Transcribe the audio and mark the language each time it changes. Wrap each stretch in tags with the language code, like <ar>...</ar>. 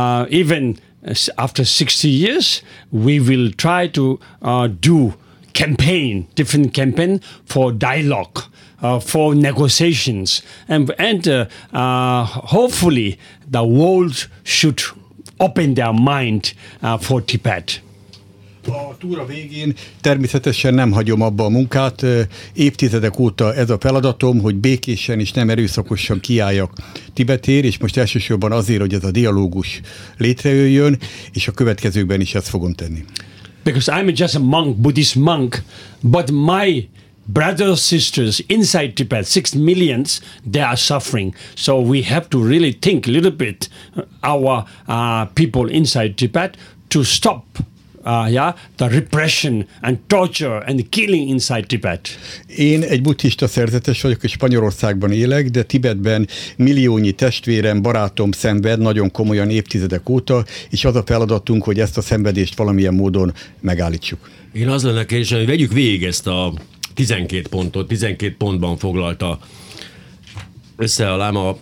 <en>Even after 60 years, we will try to do different campaign for dialogue, for negotiations, and hopefully the world should open their mind for Tibet.</en> <hu>A túra végén természetesen nem hagyom abba a munkát. Évtizedek óta ez a feladatom, hogy békésen és nem erőszakosan kiálljak Tibetért, és most elsősorban azért, hogy ez a dialógus létrejöjjön, és a következőkben is ezt fogom tenni.</hu> <en>Because I'm just a monk, Buddhist monk, but my brothers and sisters inside Tibet, 6 million, they are suffering. So we have to really think a little bit our people inside Tibet to stop the repression and torture and killing inside Tibet.</en> <hu>Én egy buddhista szerzetes vagyok, és Spanyolországban élek, de Tibetben milliónyi testvérem, barátom szenved nagyon komolyan évtizedek óta, és az a feladatunk, hogy ezt a szenvedést valamilyen módon megállítsuk. Én az lenne kérdés, hogy vegyük végig ezt a 12 pontot, 12 pontban foglalta össze a láma.</hu>